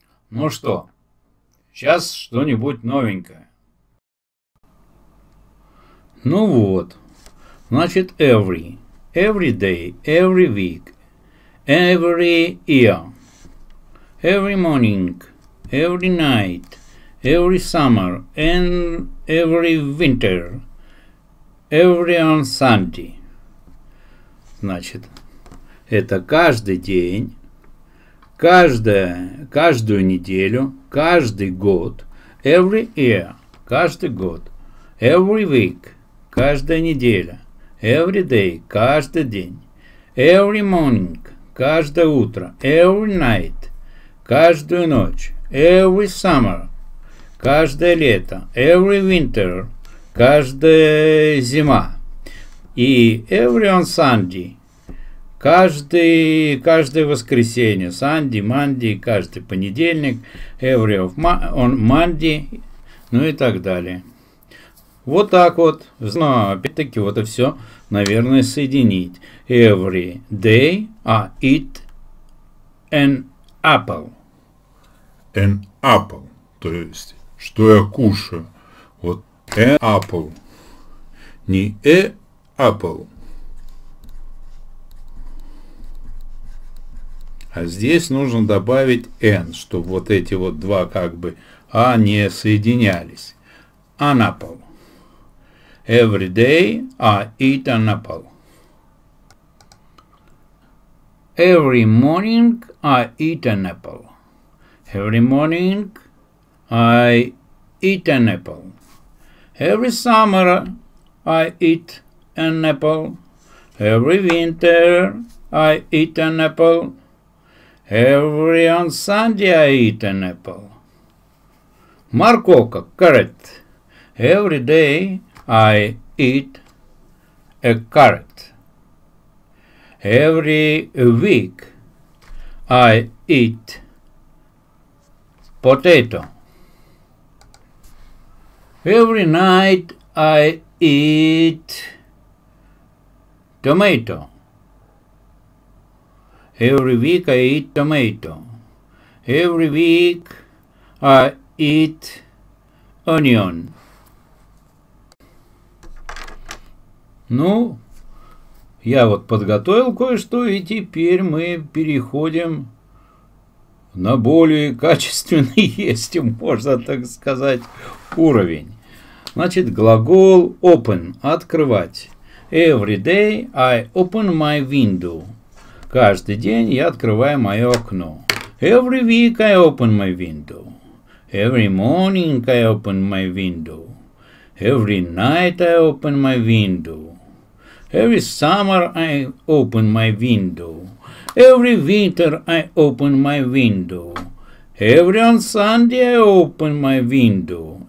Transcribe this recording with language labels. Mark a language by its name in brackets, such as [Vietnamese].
[Russian] Ну что, сейчас что-нибудь новенькое. Ну вот. Значит, [English] every. Every day, every week, every year. Every morning, every night, every summer and every winter, every on Sunday. [Russian] Значит, это каждый день, каждую неделю, каждый год, [English] every year, [Russian] каждый год, [English] every week, [Russian] каждая неделя, [English] every day, [Russian] каждый день, [English] every morning, [Russian] каждое утро, [English] every night, [Russian] каждую ночь, [English] every summer, [Russian] каждое лето, [English] every winter, [Russian] каждая зима, и [English] every on Sunday, [Russian] каждое воскресенье, [English] Sunday, Monday, [Russian] каждый понедельник, [English] every on Monday, [Russian] ну и так далее. Вот так вот, но опять-таки вот и все, наверное, соединить. [English] Every day I eat an apple. An apple, [Russian] то есть, что я кушаю. Вот [English] an apple, [Russian] не [English] a apple. [Russian] А здесь нужно добавить an, чтобы вот эти вот два как бы а не соединялись. [English] An apple. Every day I eat an apple. Every morning I eat an apple. Every morning I eat an apple. Every summer I eat an apple. Every winter I eat an apple. Every on Sunday I eat an apple. [Russian] Морковка, [English] carrot. Every day I eat a carrot. Every week I eat potato. Every night I eat tomato. Every week I eat tomato. Every week I eat onion. [Russian] Ну, я вот подготовил кое-что, и теперь мы переходим на более качественный, если можно так сказать, уровень. Значит, глагол [English] open [Russian] – открывать. [English] Every day I open my window. [Russian] Каждый день я открываю мое окно. [English] Every week I open my window. Every morning I open my window. Every night I open my window. Every summer I open my window. Every winter I open my window. Every on Sunday I open my window.